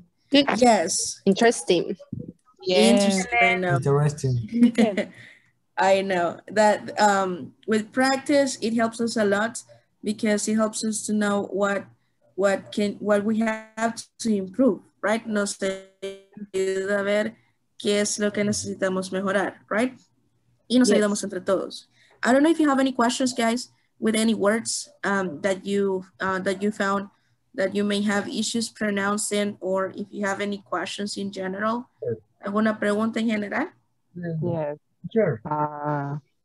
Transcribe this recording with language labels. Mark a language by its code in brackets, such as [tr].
[en] Good. Yes. Interesting. Yeah. Interesting. Interesting. I know that with practice, it helps us a lot because it helps us to know what we have to improve, right? [es] Nos ayuda a ver qué es lo que necesitamos mejorar, right? Y nos ayudamos entre todos. [en] I don't know if you have any questions, guys, with any words that you found that you may have issues pronouncing, or if you have any questions in general. [es] ¿Alguna pregunta en general? [en] Yes. Sure.